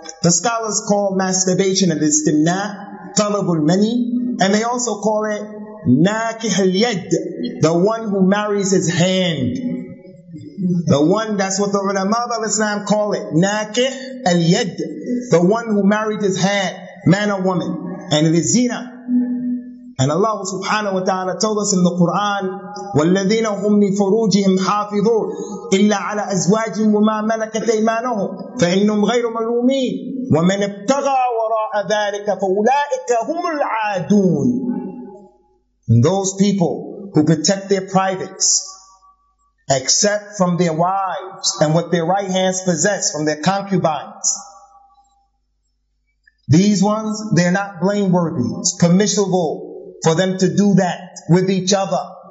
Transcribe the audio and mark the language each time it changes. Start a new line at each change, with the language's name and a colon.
English: The scholars call masturbation an istimna, talab al-mani, and they also call it nakih al-yad, the one who marries his hand. The one, that's what the ulama of Islam call it, nakih al-yad, the one who married his hand, man or woman, and it is zina. And Allah subhanahu wa ta'ala told us in the Quran,
Arabic: وَالَّذِينَ هُمْ لِفُرُوجِهِمْ حَافِظُونَ إِلَّا عَلَى أَزْوَاجٍ وَمَا مَلَكَتْ أَيْمَانُهُمْ فَإِنَّهُمْ غَيْرُ مَلُومِينَ وَمَنْ ابْتَغَى وَرَاءَ ذَلِكَ فَأُولَٰئِكَ هُمُ الْعَادُونَ.
English: And those people who protect their privates, except from their wives and what their right hands possess from their concubines, these ones, they're not blameworthy. It's permissible for them to do that with each other.